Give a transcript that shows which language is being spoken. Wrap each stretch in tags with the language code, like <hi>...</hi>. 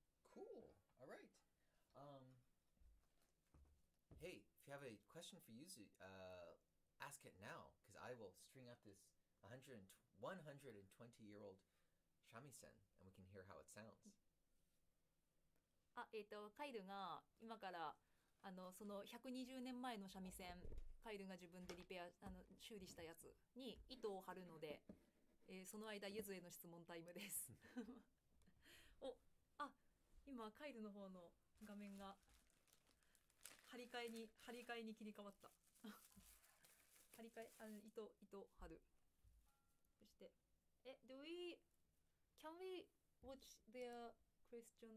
<en>Cool. All right. Hey, if you have a question for Yuzu, ask it now, because I will string up this 120-year-old shamisen, and we can hear how it sounds.</en> <ja>カイルが今からその120年前の三味線、カイルが自分でリペア修理したやつに糸を張るので、その間ゆずへの質問タイムです。お、あ、今カイルの方の画面が張り替えに切り替わった。張り替え、糸張る。</ja> <en>そして、do we can we watch their questions?</en>